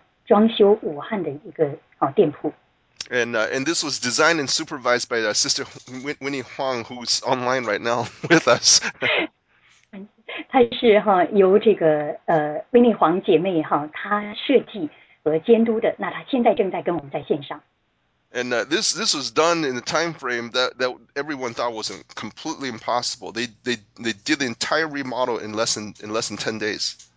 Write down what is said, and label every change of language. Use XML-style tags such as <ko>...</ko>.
<zh>他们首先做的是一个全新的去装修武汉的一个店铺。</zh> <en>And this was designed and supervised by Sister Winnie Huang, who's online right now with us.</en> <zh>她是由这个威尼黄姐妹她设计。和监督的，那他现在正在跟我们在线上。</zh> <en>And this was done in a time frame that everyone thought was completely impossible. They did the entire remodel in less than 10 days.</en>